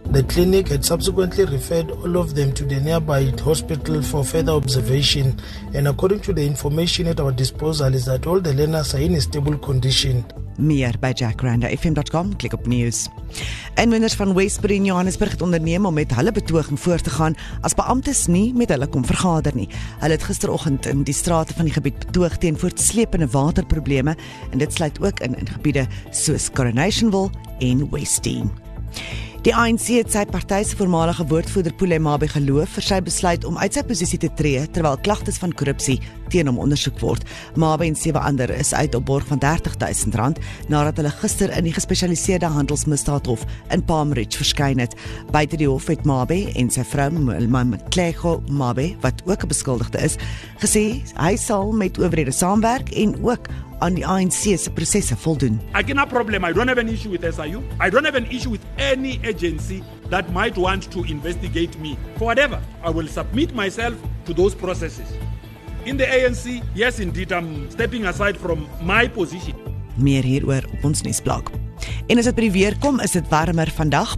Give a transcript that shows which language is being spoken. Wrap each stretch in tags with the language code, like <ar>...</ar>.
<en>The clinic had subsequently referred all of them to the nearby hospital for further observation, and according to the information at our disposal is that all the learners are in a stable condition.</en> <af>Meer by jackrandafm.com, klik op news. Inwoners van Westbury in Johannesburg het onderneem om met hulle betoging voor te gaan as beamptes nie met hulle kom vergader nie. Hulle het gisteroggend in die strate van die gebied betoog teen voortsleepende waterprobleme en dit sluit ook in gebiede soos Coronationville en Westdene. Die ANC het sy partij se voormalige woordvoerder Pule Mabe geloof vir sy besluit om uit sy posisie te tree terwyl klagtes van korrupsie teen hom ondersoek word. Mabe en 7 ander is uit op borg van R30,000 nadat hulle gister in die gespesialiseerde handelsmisdaadhof in Palm Ridge verskyn het. Buite die hof het Mabe en sy vrou Mklego Mabe, wat ook 'n beskuldigde is, gesê hy sal met owerhede saamwerk en ook on the ANC se prosesse voldoen.</af> <en>I cannot problem. I don't have an issue with SIU. I don't have an issue with any agency that might want to investigate me. For whatever, I will submit myself to those processes. In the ANC, yes indeed, I'm stepping aside from my position.</en> <af>Meer hieroor op ons nuusblad. En as dit by die weer kom, is dit warmer vandag.</af>